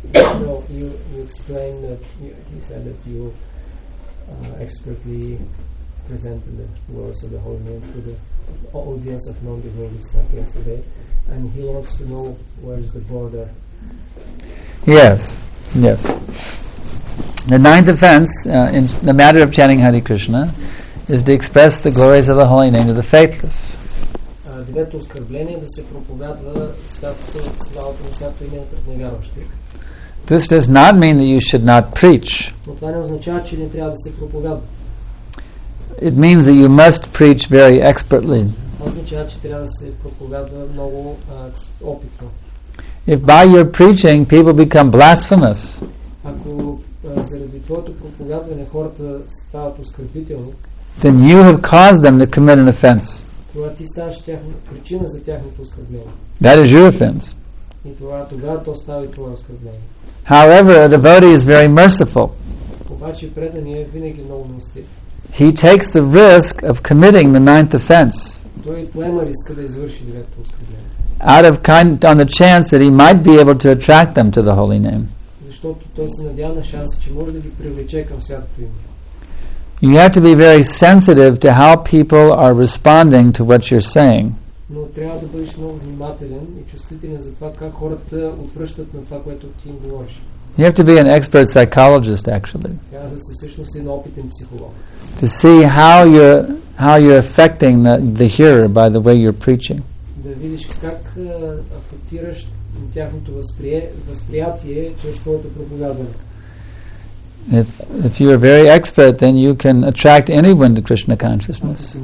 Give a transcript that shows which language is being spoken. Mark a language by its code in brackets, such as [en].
[en] No, you explained that you said that you expertly presented the words of the Holy Name to the audience of non-devotees like yesterday, and he wants to know where is the border. Yes. The ninth offense in the matter of chanting Hare Krishna is to express the glories of the Holy Name to the faithless. [bg] Девето оскърбление да се проповядва славата на святото име пред невярващите. [en] This does not mean that you should not preach. [bg] Но това не означава, че не трябва да се проповядва. [en] It means that you must preach very expertly. [bg] Означава, че трябва да се проповядва много опитно. [en] If by your preaching people become blasphemous. [bg] Ако заради твоето проповядване хората стават оскърбителни. [en] Then you have caused them to commit an offense. [bg] Това ти ставаш причина за тяхното оскърбление. [en] That is your offense. [bg] И тогава то става и твое оскърбление. [en] However, a devotee is very merciful. [bg] Обаче преданият винаги много милостив. [en] He takes the risk of committing the ninth offense. [bg] Той поема риска да извърши деветото оскърбление. [en] Out of kind, on the chance that he might be able to attract them to the holy name. [bg] Защото той се надява на шанса, че може да ги привлече към святото име. [en] You have to be very sensitive to how people are responding to what you're saying. [bg] Но трябва да бъдеш много внимателен и чувствителен за това как хората отвръщат на това, което ти им говориш. [en] You have to be an expert psychologist, actually. [bg] Трябва да си всъщност един опитен психолог. [en] To see how you're affecting the hearer by the way you're preaching. [bg] Да видиш как афектираш тяхното възприятие чрез твоето проповядване. [en] If you are very expert, then you can attract anyone to Krishna consciousness.